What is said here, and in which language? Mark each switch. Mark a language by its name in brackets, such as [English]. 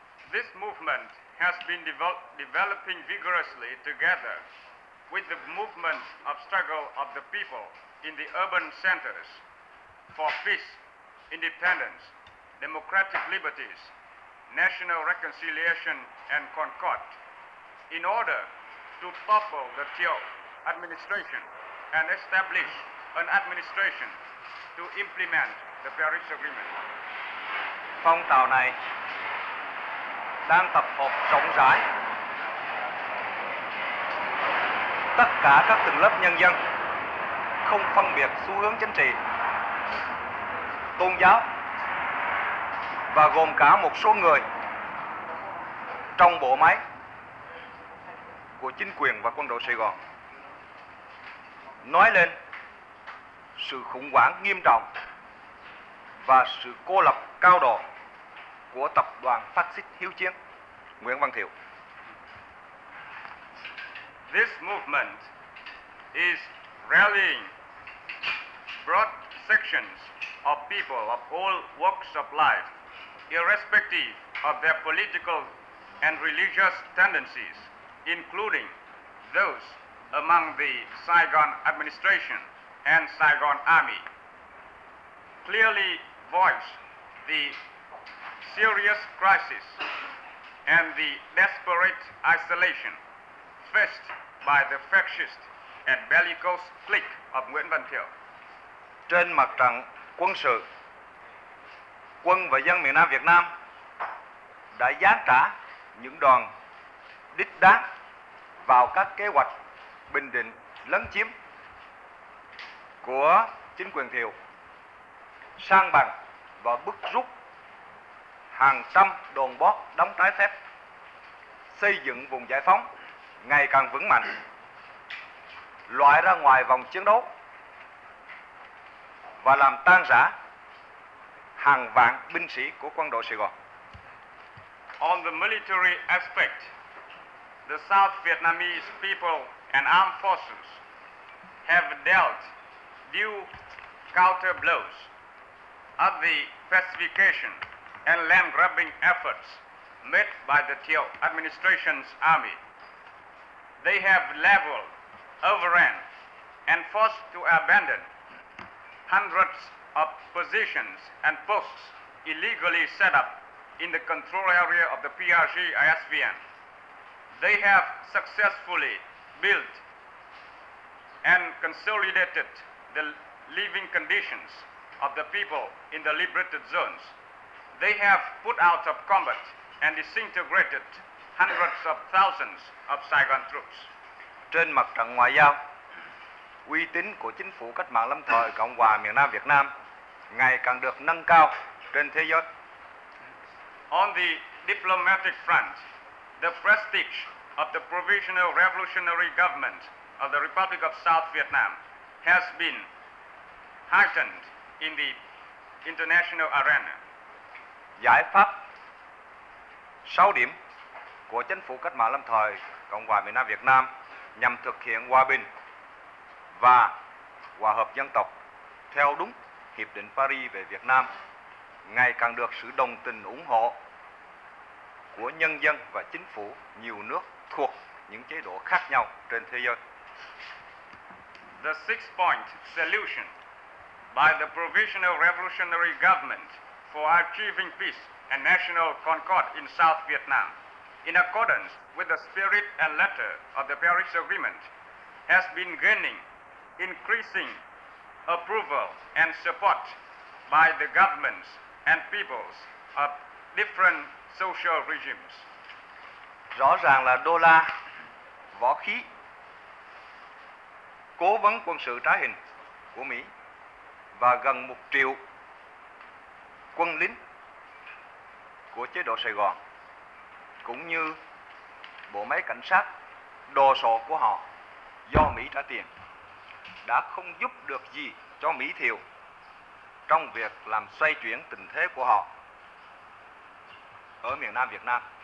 [English] This movement has been developing vigorously together with the movement of struggle of the people in the urban centers for peace, independence, democratic liberties, national reconciliation and concord, in order to topple the Thieu administration and establish an administration to implement the Paris Agreement. [Vietnamese] Phong trào này đang tập hợp rộng rãi tất cả các tầng lớp nhân dân, không phân biệt xu hướng chính trị, tôn giáo, và gồm cả một số người trong bộ máy của chính quyền và quân đội Sài Gòn, nói lên sự khủng hoảng nghiêm trọng và sự cô lập cao độ của tập đoàn phát xít hiếu chiến Nguyễn Văn Thiệu. [English] This movement is rallying broad sections of people of all walks of life, irrespective of their political and religious tendencies, including those among the Saigon administration and Saigon army, clearly voice the serious crisis and the desperate isolation faced by the fascist and bellicose clique of Nguyễn Văn Thiệu. [Vietnamese] Trên mặt trận quân sự, quân và dân miền Nam Việt Nam đã giáng trả những đòn đích đáng vào các kế hoạch bình định lấn chiếm của chính quyền Thiệu, sang bằng và bức rút hàng trăm đồn bót đóng trái phép, xây dựng vùng giải phóng ngày càng vững mạnh, loại ra ngoài vòng chiến đấu và làm tan rã hàng vạn binh sĩ của quân đội Sài Gòn. [English] On the military aspect, the South Vietnamese people and armed forces have dealt due counter blows at the pacification and land grabbing efforts made by the Thieu administration's army. They have leveled, overran, and forced to abandon hundreds of positions and posts illegally set up in the control area of the PRC ISVN. They have successfully built and consolidated the living conditions of the people in the liberated zones. They have put out of combat and disintegrated hundreds of thousands of Saigon troops. [Vietnamese] Trên mặt trận ngoại giao, uy tín của chính phủ cách mạng lâm thời Cộng hòa miền Nam Việt Nam ngày càng được nâng cao trên thế giới. [English] On the diplomatic front, the prestige of the Provisional Revolutionary Government of the Republic of South Vietnam has been heightened in the international arena. [Vietnamese] Giải pháp 6 điểm của chính phủ cách mạng lâm thời Cộng hòa miền Nam Việt Nam nhằm thực hiện hòa bình và hòa hợp dân tộc theo đúng Hiệp định Paris về Việt Nam ngày càng được sự đồng tình ủng hộ của nhân dân và chính phủ nhiều nước thuộc những chế độ khác nhau trên thế giới. [English] The six-point solution by the Provisional Revolutionary Government for achieving peace and national concord in South Vietnam, in accordance with the spirit and letter of the Paris Agreement, has been gaining increasing approval and support by the governments and peoples of different social regimes. [Vietnamese] Rõ ràng là đô la, võ khí, cố vấn quân sự trá hình của Mỹ và gần 1 triệu quân lính của chế độ Sài Gòn cũng như bộ máy cảnh sát đồ sộ của họ do Mỹ trả tiền đã không giúp được gì cho Mỹ Thiệu trong việc làm xoay chuyển tình thế của họ ở miền Nam Việt Nam.